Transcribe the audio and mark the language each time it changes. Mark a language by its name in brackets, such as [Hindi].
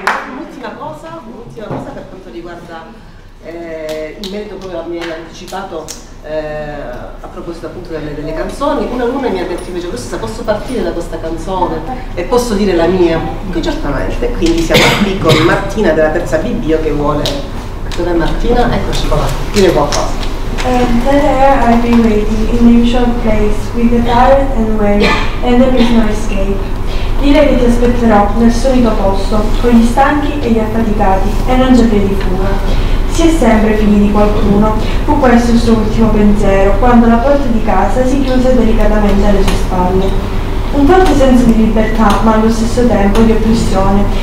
[Italian] quanto riguarda in merito proprio a me anticipato a proposito appunto delle canzoni, un alunno mi ha detto invece questa, posso partire da questa canzone e posso dire la mia? Che certamente, quindi siamo qui con Martina della terza BB che vuole. Dov'è Martina? Eccoci qua, dire qualcosa. [English] There I've been waiting in the usual place with the tired and way and there is no escape. [Italian] Dire che ti aspetterò nel solito posto con gli stanchi e gli affaticati e non c'è più di fuga. Si è sempre figli di qualcuno, fu questo il suo ultimo pensiero quando la porta di casa si chiuse delicatamente alle sue spalle. Un forte senso di libertà, ma allo stesso tempo di oppressione.